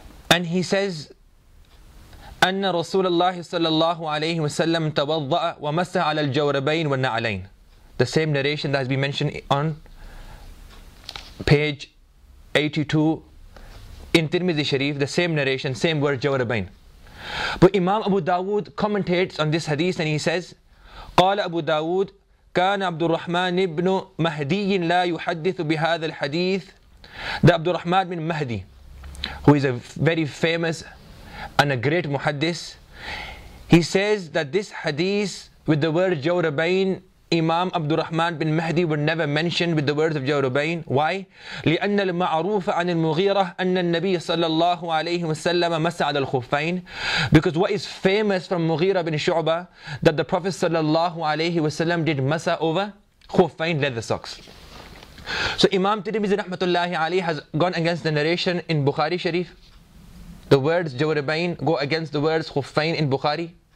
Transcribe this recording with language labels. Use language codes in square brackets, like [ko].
[en] And he says, [ar] أَنَّ رَسُولَ اللَّهِ صَلَّى اللَّهُ عَلَيْهِ وَسَلَّمَ تَوَضَّأَ وَمَسَّ عَلَى الْجَوْرَبَيْنِ وَالنَّعَلَيْنِ. [en] The same narration that has been mentioned on page 82 in Tirmizi Sharif, the same narration, same word, جَوْرَبَيْن. But Imam Abu Dawood commentates on this hadith and he says, [ar] قَالَ أَبُو دَاوُودَ كان عبد الرحمن بن مهدي لا يحدث بهذا الحديث. [en] The عبد الرحمن بن مهدي, who is a very famous and a great muhaddith, he says that this hadith with the word جوربين, Imam عبد الرحمن بن مهدي will never mention with the words of جوربين. Why? [ar] لأن المعروف عن المغيرة أن النبي صلى الله عليه وسلم مس على الخفين. [en] Because what is famous from مغيرة بن شعبة that the Prophet [ar] صلى الله عليه وسلم [en] did [ar] مس [en] over خفين, leather socks. So Imam Tirmizi [ar] رحمة الله عليه [en] has gone against the narration in Bukhari Sharif. The words جوربين go against the words خفين in Bukhari.